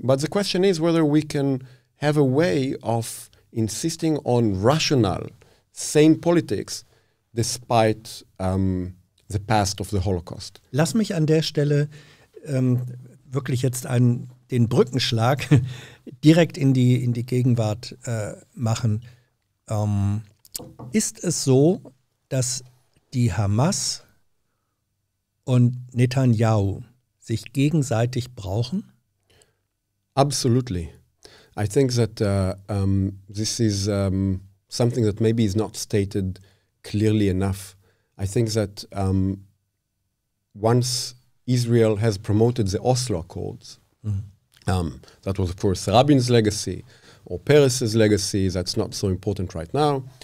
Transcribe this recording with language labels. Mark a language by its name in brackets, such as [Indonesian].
[English] But the question is whether we can have a way of insisting on rational, sane politics, despite the past of the Holocaust. [German] Lass mich an der Stelle wirklich jetzt den Brückenschlag direkt in die Gegenwart machen. Ist es so, dass die Hamas und Netanyahu sich gegenseitig brauchen? [English] Absolutely. I think that this is something that maybe is not stated clearly enough. I think that once Israel has promoted the Oslo Accords, that was of course Rabin's legacy or Peres's legacy, that's not so important right now.